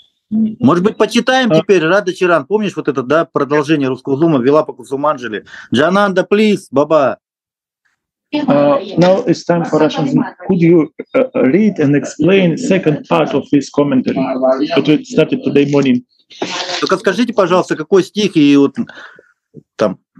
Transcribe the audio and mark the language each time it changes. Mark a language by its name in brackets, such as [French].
[Russian] Может быть, почитаем теперь Рада Чиран. Помнишь вот это, да, продолжение русского зума Вилапаку Суманджали? [English] Джананда, please, Baba. Now it's time for Russian Zoom. Could you read and explain second part of this commentary? But it started today morning. [Russian] Только скажите, пожалуйста, какой стих и вот там...